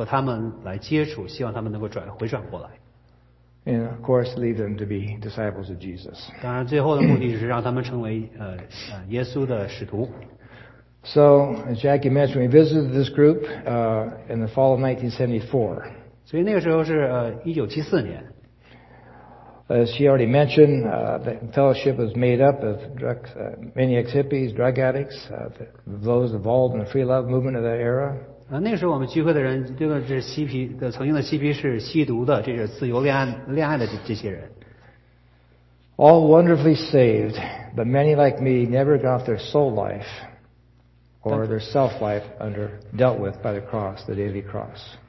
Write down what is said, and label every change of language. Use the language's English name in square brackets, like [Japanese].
[Chinese] 这个修养所的目的就是那些吸毒的那些有心理问题那些坐过监狱的，就是和他们来接触，希望他们能够转回转过来。 [English] And of course, lead them to be disciples of Jesus. [Chinese] 当然，最后的目的就是让他们成为耶稣的使徒。 [English] So, as Jackie mentioned, we visited this group in the fall of 1974. [Chinese] 所以那个时候是1974年。 [English] As she already mentioned, the fellowship was made up of many ex-hippies, drug addicts, those involved in the free love movement of that era. [Chinese] 那时候我们聚会的人，这个是嬉皮，曾经的嬉皮是吸毒的，这个自由恋爱的这些人。 [English] All wonderfully saved, but many like me never got their soul life or their self life under dealt with by the cross, the daily cross.